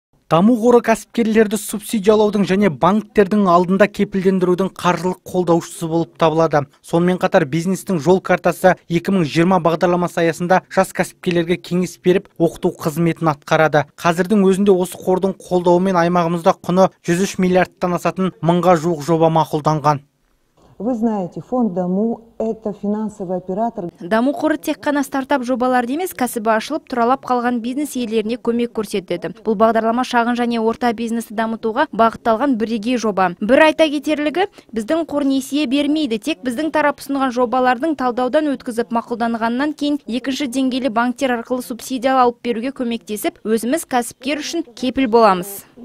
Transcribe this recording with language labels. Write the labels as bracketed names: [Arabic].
[Kazakh] Даму қоры кәсіпкерлерді субсидиялаудың және банктердің алдында кепілдендірудің қаржылық қолдаушысы болып табылады. Сонымен қатар бизнестің жол картасы 2020 бағдарламасы аясында жас кәсіпкерлерге кеңес беріп, оқыту қызметін атқарады. Қазірдің өзінде осы қордың қолдауымен аймағымызда құны 103 миллиардтан асатын мыңға жуық жоба мақұлданған. [Russian] Вы знаете, фонд Даму это финансовый оператор. [Kazakh] Даму қоры тек қана стартап жобаларды емес, кәсібі ашылып тұралап қалған бизнес иелеріне көмек көрсетеді. Бұл бағдарлама шағын және орта бизнесті дамытуға бағытталған бірегей жоба. Бір айта кетерлігі, біздің қор несие бермейді, тек біздің тарап ұсынған жобалардың талдаудан өткізіп мақұлданғаннан кейін екінші деңгейлі банктер арқылы субсидия алып беруге көмектесіп, өзіміз кәсіпкер үшін кепіл боламыз.